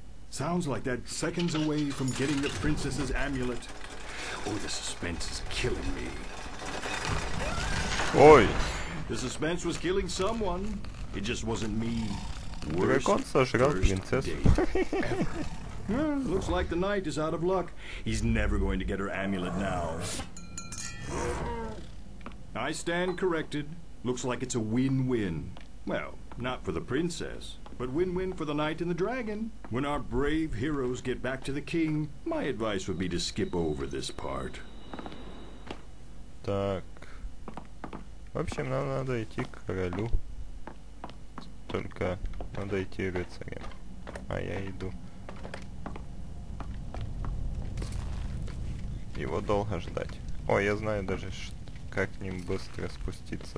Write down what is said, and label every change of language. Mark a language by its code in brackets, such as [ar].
[en] Sounds like that seconds away from getting the princess's amulet. Oh, the suspense is killing me. [ru] Ой. [en] The suspense was killing someone. It just wasn't me. [ru] Дракон сожрал принцессу. [en] Looks like the knight is out of luck. He's never going to get her amulet now. I stand corrected. Looks like it's a win-win. Well, not for the princess, but win-win for the knight and the dragon. When our brave heroes get back to the king, my advice would be to skip over this part. [ru] Так. В общем, нам надо идти к королю. Только надо идти рыцарем. А я иду. Его долго ждать. О, я знаю даже, как к ним быстро спуститься.